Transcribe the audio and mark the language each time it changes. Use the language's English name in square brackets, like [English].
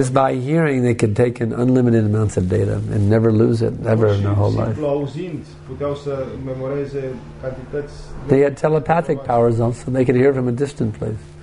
[English] Just by hearing they could take an unlimited amounts of data and never lose it ever in their whole life. [Romanian] Simplu auzind, puteau să memoreze cantități. [English] They had telepathic powers also, they could hear from a distant place.